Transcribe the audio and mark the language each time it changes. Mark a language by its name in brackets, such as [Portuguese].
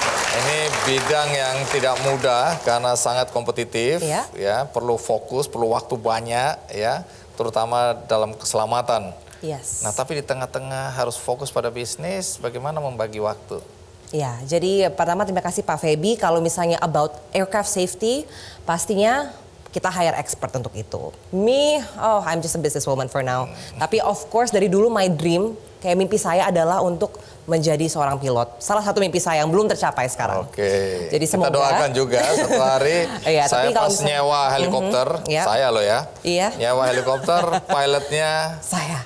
[Indonesian] Ini bidang yang tidak mudah karena sangat kompetitif ya, perlu fokus, perlu waktu banyak ya, terutama dalam keselamatan. [English] Yes. [Indonesian] Nah, tapi di tengah-tengah harus fokus pada bisnis, bagaimana membagi waktu? Ya, jadi pertama terima kasih Pak Feby, kalau misalnya [English] about aircraft safety, [Indonesian] pastinya kita hire expert untuk itu. [English] Me, oh, I'm just a businesswoman for now. [Indonesian] Tapi of course dari dulu [English] my dream, [Indonesian] kayak mimpi saya adalah untuk menjadi seorang pilot. Salah satu mimpi saya yang belum tercapai sekarang. Oke. Jadi semoga kita doakan juga satu hari iya, saya tapi pas nyewa helikopter, yep. Saya loh ya. Iya. Nyewa helikopter, pilotnya saya.